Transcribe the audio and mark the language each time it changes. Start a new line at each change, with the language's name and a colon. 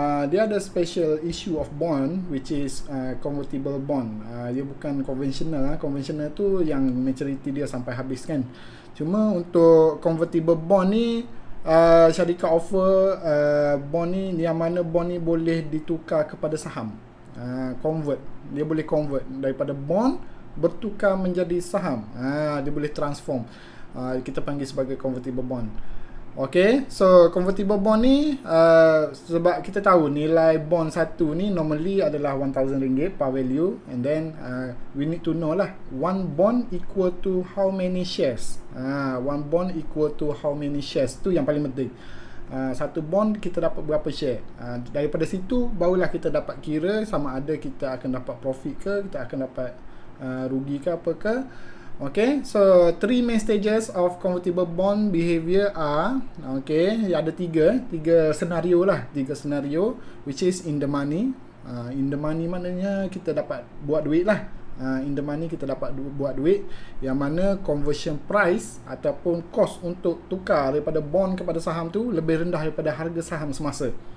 Malay: Dia ada special issue of bond,
English: which is convertible bond.
Malay: Dia bukan conventional lah. Conventional tu yang maturity dia sampai habis kan. Cuma untuk convertible bond ni, syarikat offer bond ni, yang mana bond ni boleh ditukar kepada saham. Convert, dia boleh convert daripada bond, bertukar menjadi saham. Dia boleh transform. Kita panggil sebagai convertible bond.
English: Okay, so convertible bond ni,
Malay: sebab kita tahu nilai bond satu ni
English: normally adalah RM1,000 par value, and then we need to know lah, one bond equal to how many shares. One bond equal to how many shares,
Malay: tu yang paling penting. Satu bond kita dapat berapa share. Daripada situ barulah kita dapat kira sama ada kita akan dapat profit ke, kita akan dapat rugi ke apa ke.
English: Okay, so three main stages of convertible bond behavior are, okay,
Malay: ada tiga senario,
English: which is in the money.
Malay: In the money maknanya kita dapat buat duit lah. In the money kita dapat buat duit, yang mana conversion price ataupun cost untuk tukar daripada bond kepada saham tu lebih rendah daripada harga saham semasa.